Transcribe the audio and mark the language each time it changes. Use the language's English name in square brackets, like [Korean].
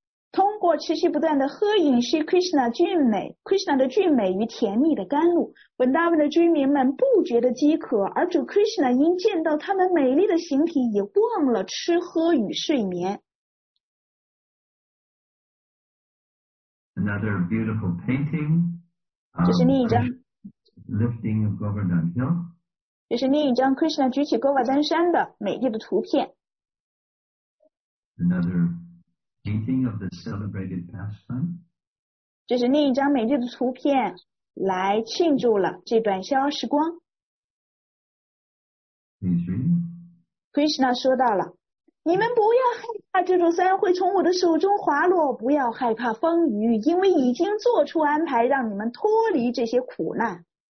[Chinese] 通过持续不断的喝饮是 Krishna 俊美 Krishna 的俊美与甜蜜的甘露，文大文的居民们不觉得饥渴，而主 Krishna 因见到他们美丽的形体也忘了吃喝与睡眠。 [English] Another beautiful painting， [Chinese] 这是另一张 [English] Lifting of Govardhan Hill， [Chinese] 这是另一张 Krishna 举起 Govardhan 山的美丽的图片。 [English] Another painting of the celebrated pastime. [Chinese] 这是另一张美丽的图片，来庆祝了这段逍遥时光。 [English] Please read. [Chinese] Krishna 说到了，你们不要害怕这种山会从我的手中滑落，不要害怕风雨，因为已经做出安排让你们脱离这些苦难。